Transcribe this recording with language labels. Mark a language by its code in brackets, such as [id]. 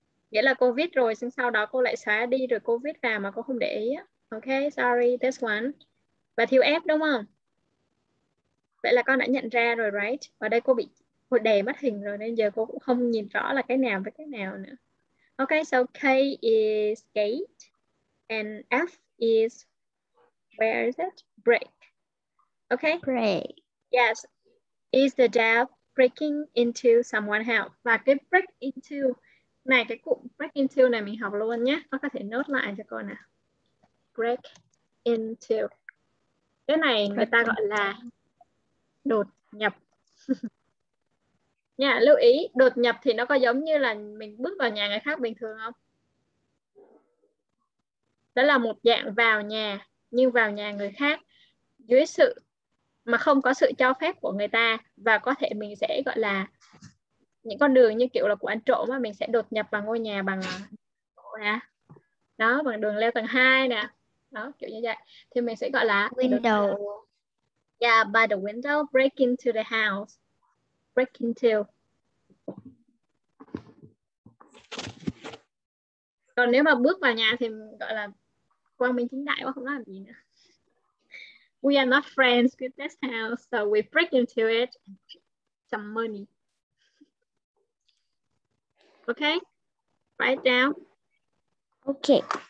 [vi] Nghĩa là cô viết rồi xong sau đó cô lại xóa đi rồi cô viết vào mà cô không để ý. [en] Ok, sorry, this one. [vi] Và thiếu F đúng không? Vậy là con đã nhận ra rồi, [en] right? [vi] Và đây cô bị cô đè mất hình rồi nên giờ cô cũng không nhìn rõ là cái nào với cái nào nữa. [en] Ok, so K is gate and F is where is it? Break. Okay? Break. Yes. Is the dad breaking into someone's house? [vi] Và cái break into này, cái cụm break into này mình học luôn nhé. Con có thể note lại cho con nào. Break into. Cái này người ta gọi là đột nhập. Nhà, lưu ý, đột nhập thì nó có giống như là mình bước vào nhà người khác bình thường không? Đó là một dạng vào nhà, nhưng vào nhà người khác dưới sự mà không có sự cho phép của người ta, và có thể mình sẽ gọi là những con đường như kiểu là của ăn trộm mà mình sẽ đột nhập vào ngôi nhà bằng đó, bằng đường leo tầng 2 nè, đó kiểu như vậy thì mình sẽ gọi là [en] window. Yeah, by the window, break into the house, break into. [vi] Còn nếu mà bước vào nhà thì gọi là quang minh chính đại quá, không làm gì nữa. [en] We are not friends with this house, so we break into it and get some money. Okay, write it down. Okay.